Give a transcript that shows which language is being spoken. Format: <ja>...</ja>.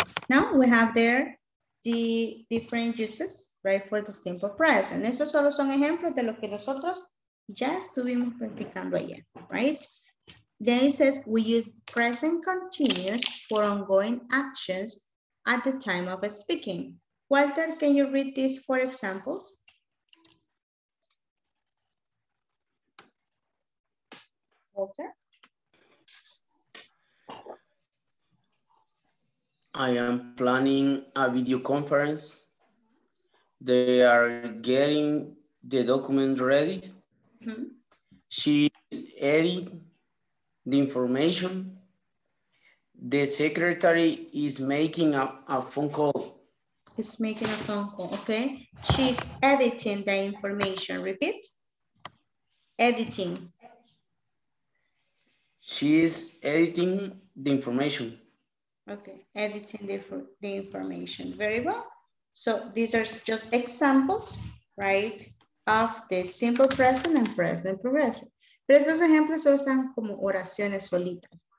<en>Now we have there the different uses, right, for the simple present.</en> <es>Esos solo son ejemplos de lo que nosotros ya estuvimos practicando ayer, right?</es> <en>Then it says we use present continuous for ongoing actions at the time of speaking. Walter, can you read these four examples? Walter? I am planning a video conference. They are getting the document ready. She's editing the information. The secretary is making a phone call. Is making a phone call, okay. She's editing the information. Repeat. Editing. She's editing the information. Okay, editing the information. Very well. So these are just examples, right, of the simple present and present progressive.</en> <es>Pero esos ejemplos solo están como oraciones solitas.</es>